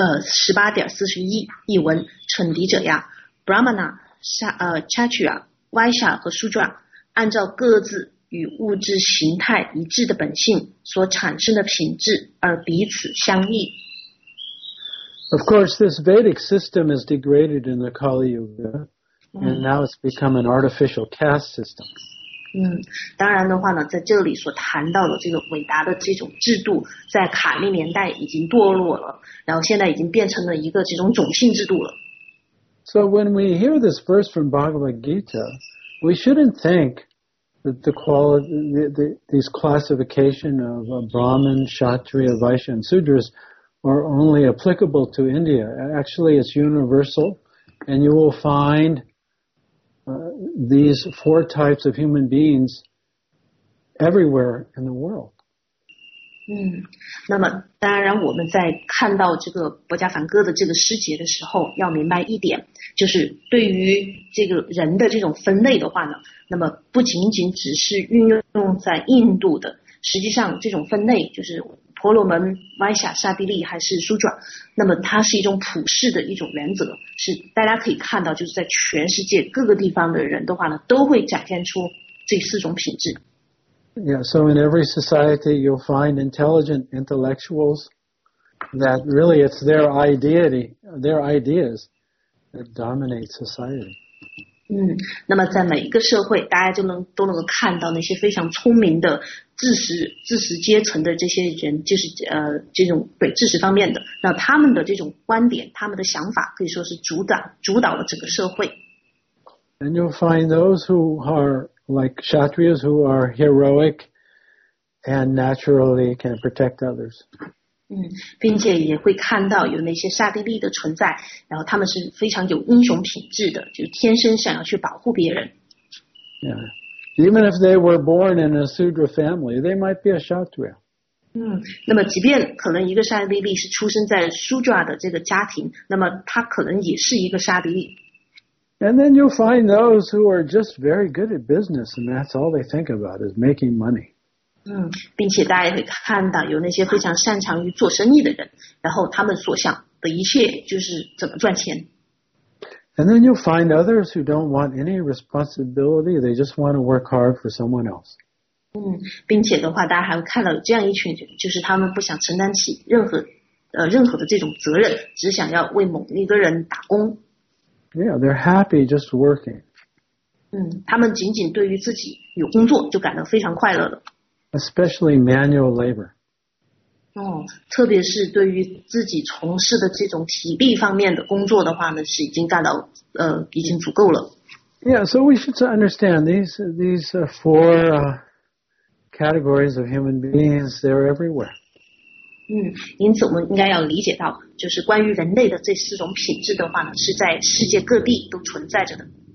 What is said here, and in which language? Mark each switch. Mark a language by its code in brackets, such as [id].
[zh] 18.41 译文陈迪者呀。Brahmana, Kshatriya, Vaishya 和 Sudra 按照各自与物质形态一致的本性所产生的品质而彼此相异。 [en] Of course, this Vedic system is degraded in the Kali Yuga, and now it's become an artificial caste system. [zh] 当然的话呢，在这里所谈到的这个伟大的这种制度，在卡利年代已经堕落了，然后现在已经变成了一个这种种姓制度了。 [en] So when we hear this verse from Bhagavad Gita, we shouldn't think that these classification of Brahman, Kshatriya, Vaishya, and Sudras are only applicable to India. Actually, it's universal, and you will find these four types of human beings everywhere in the world. [zh] 那么当然我们在看到这个薄伽梵歌的这个诗节的时候要明白一点，就是对于这个人的这种分类的话呢，那么不仅仅只是运用在印度的，实际上这种分类就是婆罗门、歪下、沙地利还是苏转，那么它是一种普世的一种原则，是大家可以看到就是在全世界各个地方的人的话呢，都会展现出这四种品质。 [en] Yeah, so in every society, you'll find intelligent intellectuals that really it's their ideas that dominate society. [zh] 那么在每一个社会，大家都能够看到那些非常聪明的知识阶层的这些人，就是这种对知识方面的，那他们的这种观点，他们的想法可以说是主导了整个社会。 [en] And you'll find those who are. Like Kshatriyas who are heroic and naturally can protect others. [zh] 并且也会看到有那些刹帝利的存在，然后他们是非常有英雄品质的，就天生想要去保护别人。 [en] Yeah. Even if they were born in a Sudra family, they might be a Kshatriya. [zh] 那么即便可能一个刹帝利是出生在 Sudra 的这个家庭，那么他可能也是一个刹帝利。 [en] And then you'll find those who are just very good at business, and that's all they think about is making money. [zh] 并且大家会看到有那些非常擅长于做生意的人，然后他们所想的一切就是怎么赚钱。 [en] And then you'll find others who don't want any responsibility, they just want to work hard for someone else. [zh] 并且的话大家还会看到这样一群人，就是他们不想承担起任何的这种责任，只想要为某一个人打工。 [en] Yeah, they're happy just working. [zh] 他们仅仅对于自己有工作就感到非常快乐了。 [en] Especially manual labor. [zh] 特别是对于自己从事的这种体力方面的工作的话呢，是已经干到已经足够了。 [en] Yeah, so we should understand these four categories of human beings, they're everywhere. [zh] 因此我们应该要理解到，就是关于人类的这四种品质的话呢，是在世界各地都存在着的。